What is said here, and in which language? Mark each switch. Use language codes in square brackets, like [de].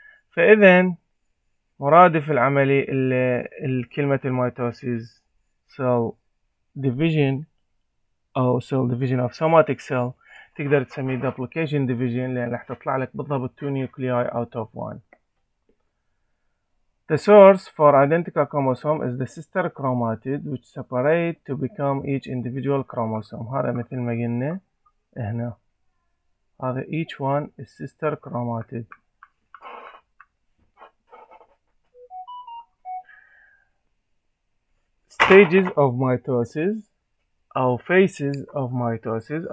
[ar] فإذا مرادف العملية الكلمة الميتوسيس cell division أو cell division of somatic cell, تقدر تسميه duplication division لأن راح تطلع لك بالضبط 2 nuclei out of 1. [en] The source for identical chromosome is the sister chromatid which separate to become each individual chromosome. [ar] هذا مثل ما قلنا هنا هذا each one is sister chromatid. [en] Stages of mitosis أو phases of mitosis.